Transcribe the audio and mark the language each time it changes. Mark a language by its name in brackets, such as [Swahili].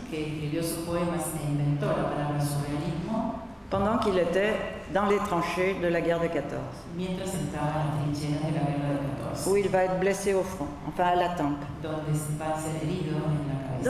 [Spanish] que escribió sus poemas e inventó la palabra surrealismo, [French] pendant qu'il était dans les tranchées de la guerre de 14. [Spanish] Mientras estaba en las trincheras de la guerra de 14. [French] Où il va être blessé au front, enfin à la tempe. [Spanish] Donde se va a ser herido en la cabeza.